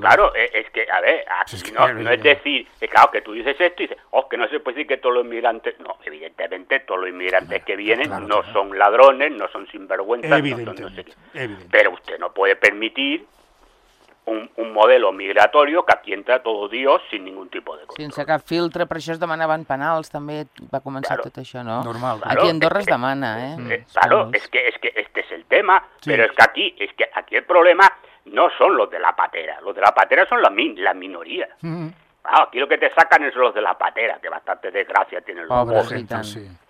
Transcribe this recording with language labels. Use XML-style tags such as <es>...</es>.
<es>Claro, es que, a ver, es decir, que tú dices esto y dices, que no se puede decir que todos los inmigrantes... No, evidentemente, todos los inmigrantes que vienen claro, son ladrones, no son sinvergüenzas. Evidentemente, Pero usted no puede permitir un modelo migratorio que aquí entra todo Dios sin ningún tipo de control.</es> <ca>Sense cap filtre, per això es demanaven penals, també va començar</ca> <es>claro.</es> <ca>tot això, no?</ca> <es>Normal.</es> <ca>Claro, aquí Andorra es demana,</ca> <es>Claro, es que este es el tema, pero es que aquí el problema no son los de la patera, los de la patera son la minoría. Claro, aquí lo que te sacan es los de la patera, que bastante desgracia tienen los pobres. Sí.</es>